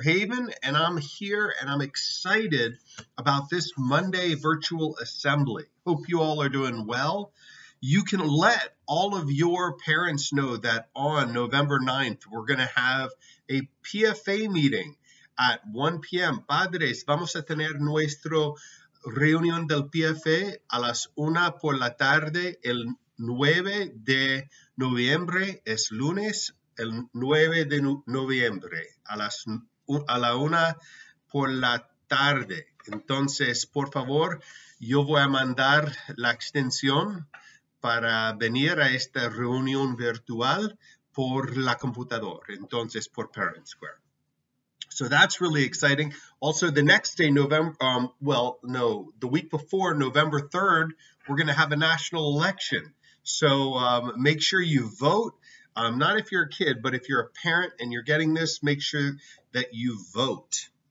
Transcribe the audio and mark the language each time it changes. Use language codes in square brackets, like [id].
[en] Haven, and I'm here and I'm excited about this Monday virtual assembly. Hope you all are doing well. You can let all of your parents know that on November 9th, we're going to have a PFA meeting at 1 p.m. [es] Padres, vamos a tener nuestro reunión del PFA a las 1 por la tarde, el 9 de noviembre, es lunes, el 9 de noviembre, a la 1 por la tarde. Entonces, por favor, yo voy a mandar la extensión para venir a esta reunión virtual por la computadora, entonces por Parent Square. [en] So that's really exciting. Also, the next day, the week before, November 3rd, we're going to have a national election. So make sure you vote. Not if you're a kid, but if you're a parent and you're getting this, make sure that you vote.